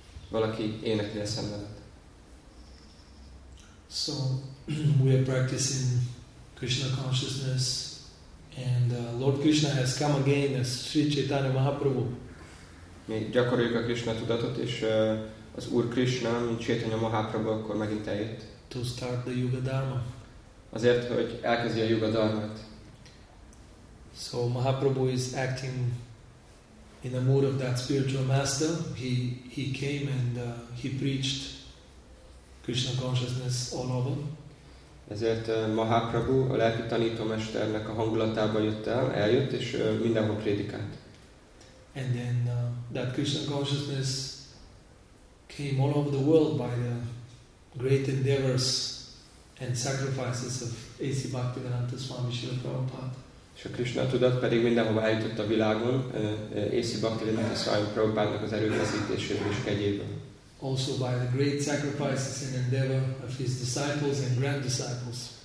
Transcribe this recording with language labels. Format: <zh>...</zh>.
<hu>Valaki énekli a szemlélet.</hu> <en>So, we are practicing Krishna consciousness and Lord Krishna has come again as Sri Chaitanya Mahaprabhu.</en> <hu>Mi gyakoroljuk a Krishna tudatot, és az Úr Krishna, mint Chaitanya Mahaprabhu, akkor megint eljött.</hu> <en>To start the Yuga Dharma.</en> <hu>Azért, hogy elkezdje a Yuga Dharmát.</hu> <en>So Mahaprabhu is acting in the mood of that spiritual master. He came and he preached Krishna consciousness all over.</en> <hu>Ezért Mahaprabhu, a lelki tanítómesternek a hangulatába jött el, eljött, és mindenhol prédikált.</hu> <en>And then that Krishna consciousness came all over the world by the great endeavors and sacrifices of A.C. Bhaktivedanta Swami Srila Prabhupada.</en> <hu>És a Krishna tudat pedig mindenhova eljutott a világon, A.C. Bhaktivedanta Swami Prabhupada-nak az erőfeszítésével és kegyéből.</hu> <en>Also by the great sacrifices and endeavor of his disciples and grand disciples.</en>